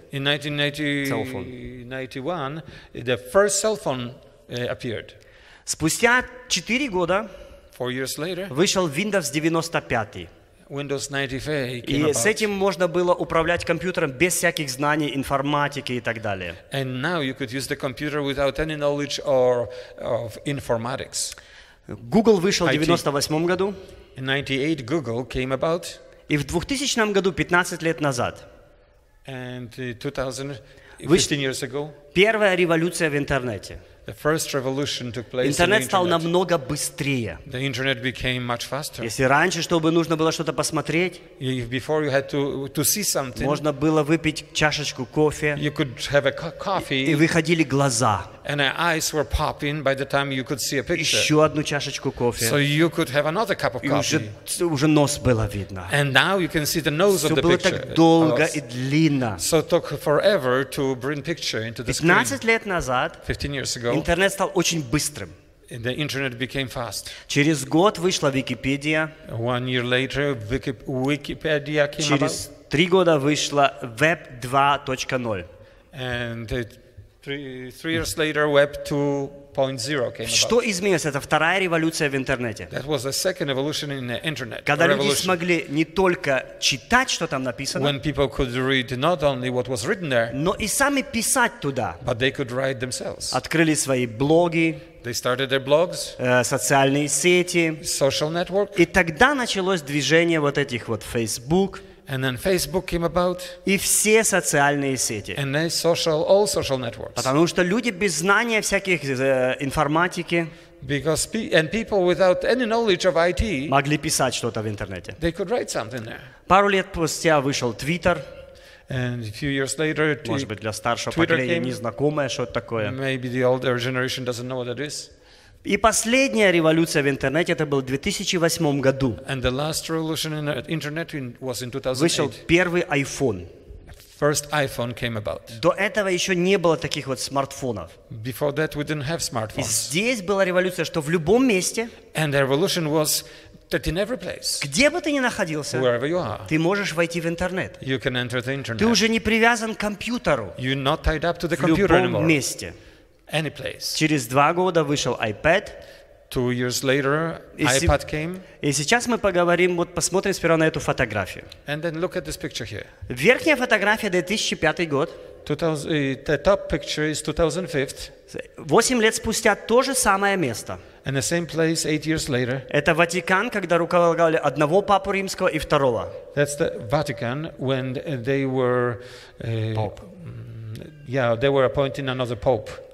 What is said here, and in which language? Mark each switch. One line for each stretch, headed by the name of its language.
English: In 1991, the first cell phone appeared.
Russian: Спустя 4 года
English: Four years later,
Russian: вышел Windows 95.
English: Windows 95 came
Russian: и
English: about.
Russian: С этим можно было управлять компьютером без всяких знаний информатики и так далее.
English: And now you could use the computer without any knowledge or of informatics.
Russian: Google вышел в 98 году.
English: In 98 Google came about.
Russian: И в 2000 году, 15 лет назад.
English: And 15 years ago.
Russian: Первая революция в интернете.
English: The first revolution took place
Russian: интернет стал намного быстрее.
English: The internet became much faster.
Russian: Если раньше, чтобы нужно было что-то посмотреть,
English: if before you had to see something,
Russian: можно было выпить чашечку кофе,
English: you could have a coffee,
Russian: и выходили глаза.
English: And our eyes were popping by the time you could see a picture.
Russian: Еще одну чашечку кофе.
English: So you could have another cup of coffee.
Russian: И уже нос было видно.
English: And now you can see the nose
Russian: все
English: of the
Russian: было
English: picture.
Russian: Так долго и длинно.
English: So it took forever to bring picture into the screen.
Russian: 15 лет назад.
English: 15 years ago.
Russian: Интернет стал очень быстрым.
English: The internet became fast.
Russian: Через год вышла Википедия.
English: One year later, Wikipedia came
Russian: через
English: about.
Russian: Через 3 года вышла Web 2.0.
English: And Three years later, Web 2.0 came about.
Russian: Что изменилось? Это вторая революция в интернете.
English: That was the second evolution in the internet.
Russian: Когда люди смогли не только читать, что там написано,
English: when people could read not only what was written there,
Russian: но и сами писать туда.
English: But they could write themselves.
Russian: Открыли свои блоги.
English: They started their blogs.
Russian: Социальные сети.
English: Social network.
Russian: И тогда началось движение вот этих вот Facebook.
English: And then Facebook came about.
Russian: И все социальные сети.
English: And then all social networks.
Russian: Потому что люди без знания всяких информатики.
English: And people without any knowledge of IT.
Russian: Могли писать что-то в интернете.
English: They could write something there.
Russian: Пару лет спустя вышел Twitter.
English: And a few years later,
Russian: может быть, для старшего поколения незнакомое что-то такое.
English: Maybe the older generation doesn't know what that is.
Russian: И последняя революция в интернете это был в 2008 году.
English: And the last revolution in the internet was in 2008.
Russian: Вышел первый iPhone.
English: First iPhone came about.
Russian: До этого еще не было таких вот смартфонов.
English: Before that we didn't have smartphones.
Russian: И здесь была революция, что в любом месте.
English: And the revolution was that in every place.
Russian: Где бы ты ни находился.
English: Wherever you are.
Russian: Ты можешь войти в интернет.
English: You can enter the internet.
Russian: Ты уже не привязан к компьютеру.
English: You're not tied up to the computer anymore.
Russian: В любом месте.
English: Any place.
Russian: Через 2 года вышел iPad.
English: 2 years later, iPad came.
Russian: И сейчас мы поговорим, вот посмотрим сперва на эту фотографию.
English: And then look at this picture here.
Russian: Верхняя фотография 2005 год.
English: The top picture is 2005.
Russian: 8 лет спустя то же самое место.
English: And the same place 8 years later.
Russian: Это Ватикан, когда руководили одного папу римского и второго.
English: That's the Vatican when they were Pope. Yeah, they were appointing another pope.